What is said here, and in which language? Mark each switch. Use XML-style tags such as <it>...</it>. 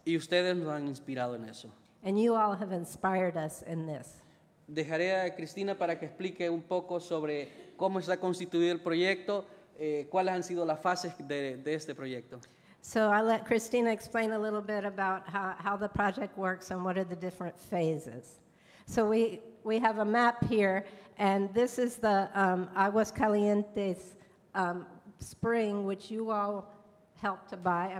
<es>Y ustedes nos han inspirado en eso.</es> <en>And you all have inspired us in this.</en> <es>Dejaré a Cristina para que explique un poco sobre cómo está constituido el proyecto, cuáles han sido las fases de este proyecto.</es> <en>So I'll let Cristina explain a little bit about how the project works and what are the different phases. So we have a map here, and this is the Aguas Calientes spring, which you all helped to buy.</en>